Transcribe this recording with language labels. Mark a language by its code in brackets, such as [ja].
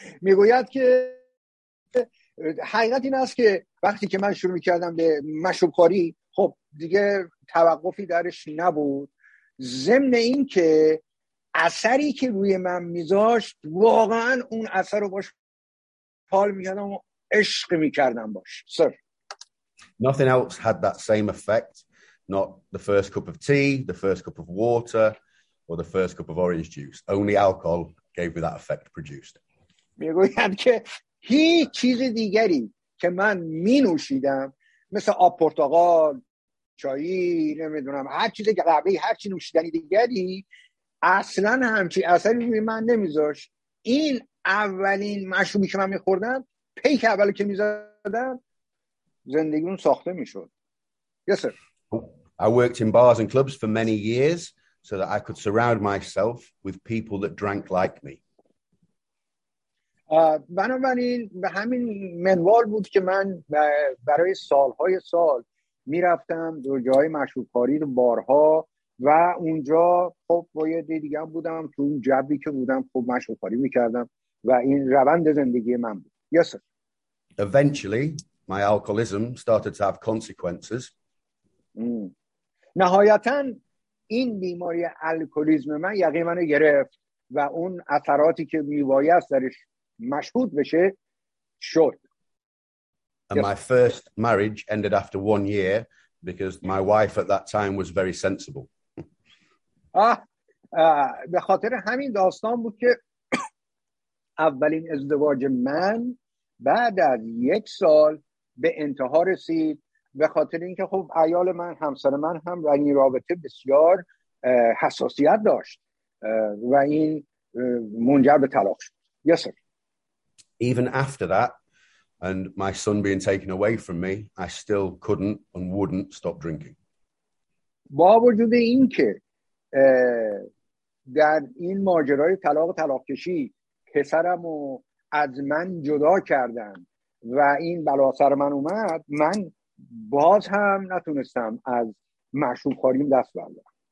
[fa] میگوید که حقیقت این است که وقتی که من شروع میکردم به مشروب‌خوری، خب دیگه توقفی درش نبود. ضمن این که اثری که روی من میذاشت، واقعا اون اثر رو باش حال میکردم. عشق میکردم باش. Sir. [en] Nothing else had that same effect. Not the first cup of tea, the first cup of water, or the first cup of orange juice. Only alcohol gave me that effect produced. [fa] میگویند که هیچ چیز دیگری که من مینوشیدم، مثل آب پرتقال، چای، نمیدونم، هر چیز قهوه‌ای، هر چی نوشیدنی دیگری، اصلا همچی اثری روی من نمیذاشت. این اولین مشروبی که من میخوردم، پیک اول که میزدم زندگیون ساخته میشد. [en] Yes sir. I worked in bars and clubs for many years so that I could surround myself with people that drank like me. [fa] بنابراین به همین منوال بود که من برای سالهای سال میرفتم دو جای مشروبخوری و بارها و اونجا خب با یه دیگه بودم تو اون جبی که بودم، خب مشروبخوری میکردم و این روند زندگی من بود. [en] Yes sir. Eventually, my alcoholism started to have consequences. [fa] نهایتاً این بیماری الکلیسم من یقین منو گرفت و اون اثراتی که میبایست درش مشهود بشه شد. [en] And my first marriage ended after one year because my wife at that time was very sensible. [fa] به خاطر همین داستان بود که اولین ازدواج من بعد از یک سال به انتها رسید، به خاطر اینکه خب عیال من، همسر من هم و این رابطه بسیار حساسیت داشت و این منجر به طلاق شد. [en] Yes sir. Even after that and my son being taken away from me, I still couldn't and wouldn't stop drinking. [fa] با وجود اینکه در این ماجرای طلاق و طلاق کشی پسرم رو از من جدا کردن و این بلا سر من اومد، من باز هم نتونستم از مشروب خوریم دست بردارم.